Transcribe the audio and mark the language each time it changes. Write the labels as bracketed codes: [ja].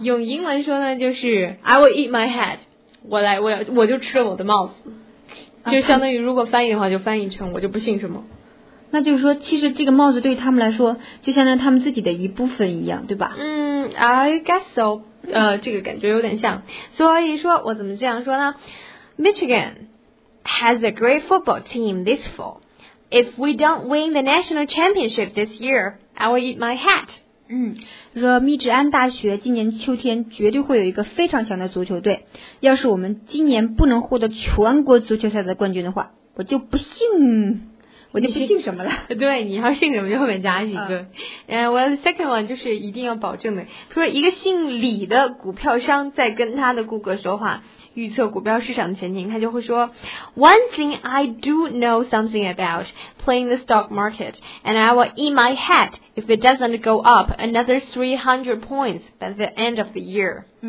[zh] 用英文说呢，就是 [en] I will eat my hat. [zh] 我就吃了我的帽子。就相当于如果翻译的话，就翻译成我就不姓什么。那就是说，其实这个帽子对于他们来说，就相当于他们自己的一部分一样，对吧？ [en] I guess so. [zh] 这个感觉有点像。所以说，我怎么这样说呢？ [en] Michigan has a great football team this fall. If we don't win the national championship this year, I will eat my hat. [zh] 说密执安大学今年秋天绝对会有一个非常强的足球队。要是我们今年不能获得全国足球赛的冠军的话，我就不信。我就不信什么了。对，你要信什么就后面加几个。 [en] Well, the second one [zh] 就是一定要保证的。说一个姓李的股票商在跟他的顾客说话，预测股票市场的前景，他就会说 [en] One thing I do know something about playing the stock market, and I will eat my hat if it doesn't go up another 300 points by the end of the year.